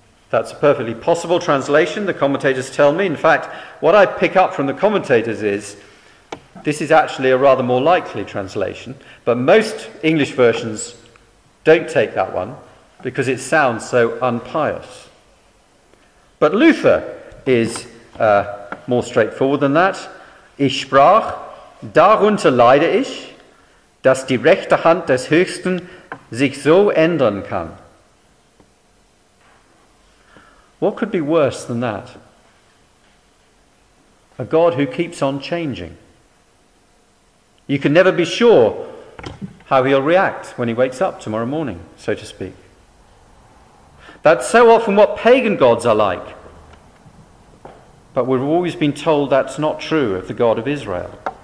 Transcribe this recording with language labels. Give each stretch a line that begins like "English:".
English: That's a perfectly possible translation, the commentators tell me. In fact, what I pick up from the commentators is, this is actually a rather more likely translation, but most English versions don't take that one because it sounds so unpious. But Luther is more straightforward than that.
German: Ich sprach, darunter leide ich, dass die rechte Hand des Höchsten sich so ändern kann.
English: What could be worse than that? A God who keeps on changing. You can never be sure how he'll react when he wakes up tomorrow morning, so to speak. That's so often what pagan gods are like. But we've always been told that's not true of the God of Israel.